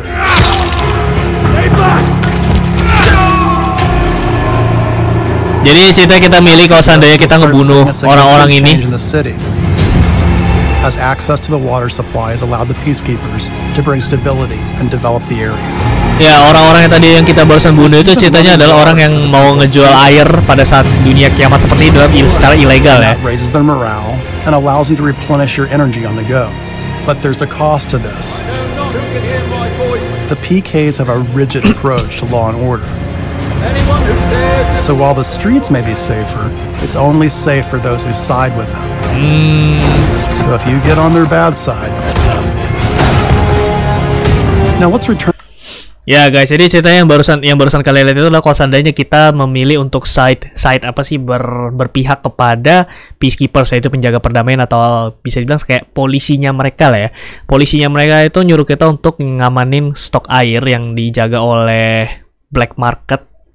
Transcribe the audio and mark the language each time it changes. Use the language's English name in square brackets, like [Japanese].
[English] Stay back! [Indonesian] Jadi cerita kita milih kalau seandainya kita ngebunuh orang-orang ini. [English] As access to the water supply has allowed the peacekeepers to bring stability and develop the area. [Indonesian] Ya, orang-orang yang tadi yang kita barusan bunuh itu ceritanya adalah orang yang mau ngejual air pada saat dunia kiamat seperti itu secara ilegal ya. [English] Raises their morale and allows you to replenish your energy on the go. But there's a cost to this. The PKs have a rigid approach to law and order. So while the streets may be safer, it's only safe for those who side with them. So if you get on their bad side, now let's return. [Indonesian] Ya guys, jadi ceritanya yang barusan kalian lihat itu adalah kalau seandainya kita memilih untuk side apa sih, berpihak kepada peacekeepers, yaitu penjaga perdamaian atau bisa dibilang kayak polisinya mereka lah ya. Polisinya mereka itu nyuruh kita untuk ngamanin stok air yang dijaga oleh black market.